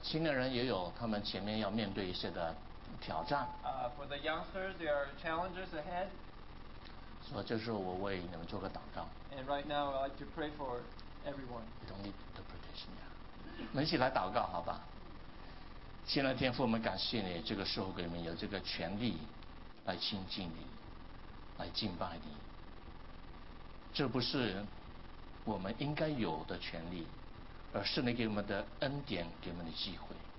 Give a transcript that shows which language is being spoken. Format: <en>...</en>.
<zh>亲的人也有他们前面要面对一些的挑战。</zh> <en>For the youngsters, there are challenges ahead.</en> <zh>所以这是我为你们做个祷告。</zh> <en>And right now, I'd like to pray for everyone. We don't need interpretation.</en> <zh>我们一起来祷告，好吧？亲爱的天父，我们感谢你，这个时候给我们有这个权利来亲近你，来敬拜你。这不是我们应该有的权利，而是你给我们的恩典，给我们的机会。</zh>